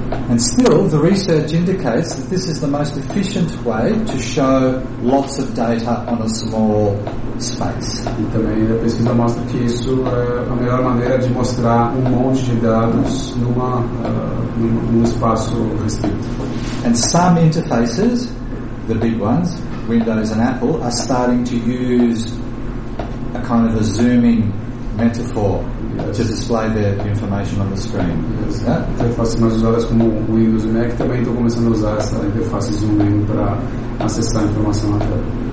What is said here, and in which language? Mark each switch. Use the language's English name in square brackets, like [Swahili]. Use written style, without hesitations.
[English] And still, the research indicates that this is the most efficient way to show lots of data on a small space. [Portuguese] E também a pesquisa mostra que isso é a melhor maneira de mostrar monte de dados num espaço restrito. [English] And some interfaces, the big ones, Windows and Apple, are starting to use a kind of a zooming metaphor. To display their information on the screen. Yes. Yeah? [Portuguese] Interfaces mais usadas como Windows e Mac também estão começando a usar essa interface zooming para acessar a informação na tela.